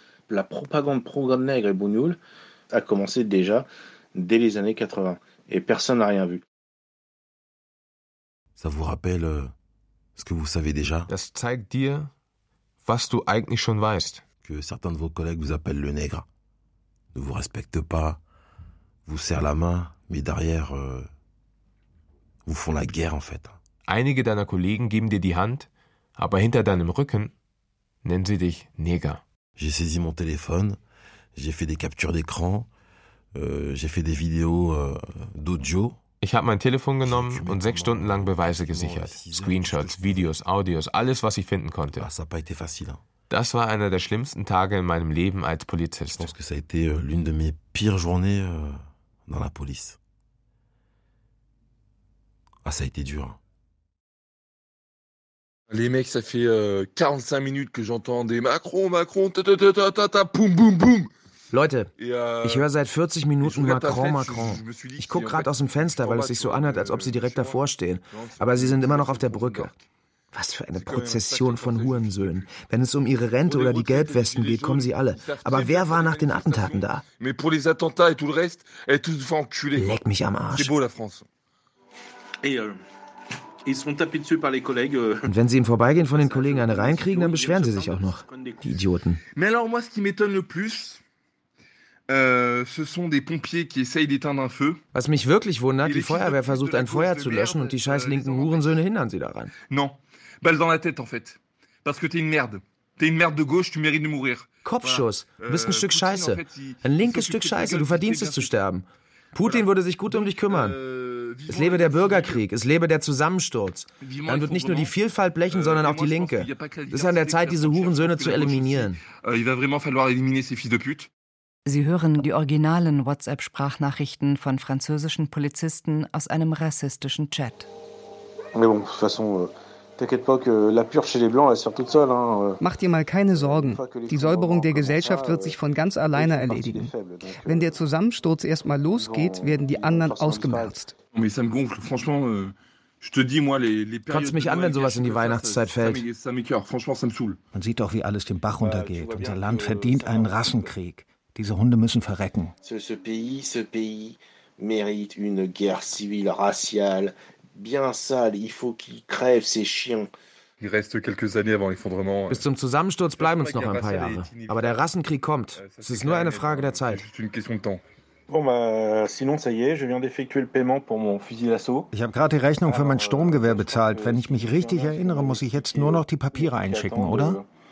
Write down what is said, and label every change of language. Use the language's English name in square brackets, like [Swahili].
[French] La propagande pro-nègre et bougnoul a commencé déjà dès les années 80 et personne n'a rien vu. Ça vous rappelle ce que vous savez déjà? [German] Das zeigt dir, was du eigentlich schon weißt. [French] Que certains de vos collègues vous appellent le nègre. Ne vous respecte pas, vous serre la main, mais derrière, vous font la guerre en fait. [German] Einige deiner Kollegen geben dir die Hand, aber hinter deinem Rücken nennen sie dich Neger. [French] J'ai saisi mon téléphone, j'ai fait des captures d'écran, j'ai fait des vidéos d'audio. [German] Ich habe mein Telefon genommen und 6 Stunden lang Beweise gesichert. Screenshots, Videos, Audios, alles, was ich finden konnte. [French] Ça a pas été facile, hein. [German] Das war einer der schlimmsten Tage in meinem Leben als Polizist. Ich denke, das war eine meiner [French] pires journées dans la police. Ah, ça a été dur. Les mecs, ça fait 45 [German] Minuten, [French] que j'entends des Macron, Macron, ta-ta-ta-ta-ta, boum, boum, boum. [German] Leute, ich höre seit 40 Minuten Macron, Macron. Ich gucke gerade aus dem Fenster, weil es sich so anhört, als ob sie direkt davor stehen. Aber sie sind immer noch auf der Brücke. Was für eine Prozession von Hurensöhnen. Wenn es um ihre Rente oder die Gelbwesten geht, kommen sie alle. Aber wer war nach den Attentaten da? Leck mich am Arsch. Und wenn sie im Vorbeigehen von den Kollegen eine reinkriegen, dann beschweren sie sich auch noch. Die Idioten. [French] Mais alors moi, ce qui m'étonne le plus... ce sont des pompiers qui essayent d'éteindre un feu. [German] Was mich wirklich wundert, die Feuerwehr versucht ein Feuer zu löschen und die scheiß linken Hurensöhne hindern sie daran. [French] Non, balle dans la tête en fait. Parce que t'es une merde. T'es une merde de gauche, tu mérites de mourir. [German] Kopfschuss, du bist ein Stück Scheiße. Ein linkes Stück Scheiße, du verdienst es zu sterben. Putin würde sich gut um dich kümmern. Es lebe der Bürgerkrieg, es lebe der Zusammensturz. Dann wird nicht nur die Vielfalt blechen, sondern auch die Linke. Es ist an der Zeit, diese Hurensöhne zu eliminieren. Sie hören die originalen WhatsApp-Sprachnachrichten von französischen Polizisten aus einem rassistischen Chat. Mach dir mal keine Sorgen. Die Säuberung der Gesellschaft wird sich von ganz alleine erledigen. Wenn der Zusammensturz erstmal losgeht, werden die anderen ausgemerzt. Kotzt mich an, wenn sowas in die Weihnachtszeit fällt. Man sieht doch, wie alles den Bach runtergeht. Unser Land verdient einen Rassenkrieg. Diese Hunde müssen verrecken. [French] Ce pays mérite une guerre civile raciale. Bien sale, il faut qu'il crève ces chiens. Il reste quelques années avant l'effondrement. [German] Bis zum Zusammensturz bleiben uns noch ein paar Jahre. Aber der Rassenkrieg kommt. Es ist nur eine Frage der Zeit. Ich habe gerade die Rechnung für mein Sturmgewehr bezahlt. Wenn ich mich richtig erinnere, muss ich jetzt nur noch die Papiere einschicken, oder?